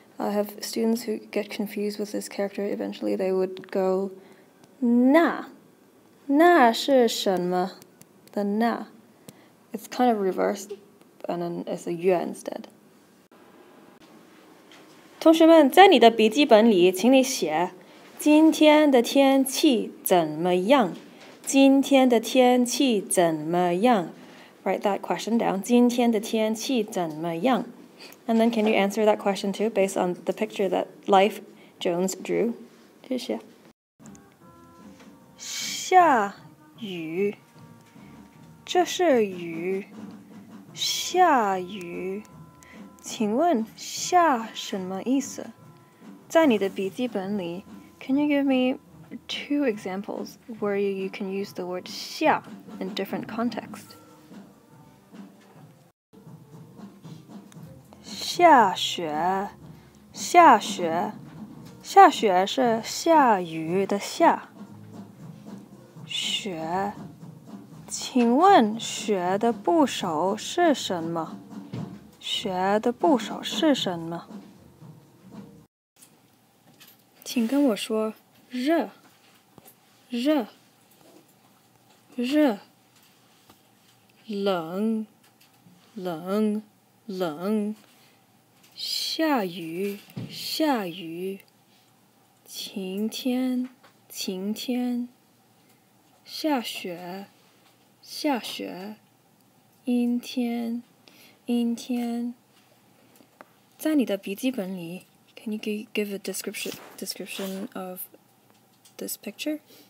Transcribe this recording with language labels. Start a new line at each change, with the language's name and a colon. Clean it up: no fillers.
English: I have students who get confused with this character. Eventually, they would go,
Chinese: 那，那是什么？
English: The 那， it's kind of reversed, and then it's a 月 instead.
Chinese: 同学们，在你的笔记本里，请你写今天的天气怎么样？今天的天气怎么样？
English: Write that question down.
Chinese: 今天的天气怎么样？
English: And then can you answer that question too, based on the picture that Life Jones drew?
Chinese: 谢谢。下雨，这是雨，下雨。请问下什么意思？在你的笔记本里，
English: can you give me two examples where you can use the word 下 in different contexts?
Chinese: 下雪，下雪，下雪是下雨的下。雪，请问雪的部首是什么？雪的部首是什么？请跟我说，热，热，热，冷，冷，冷。下雨，下雨，晴天，晴天，下雪，下雪，阴天，阴天。在你的笔记本里
English: ，Can you give a description of this picture?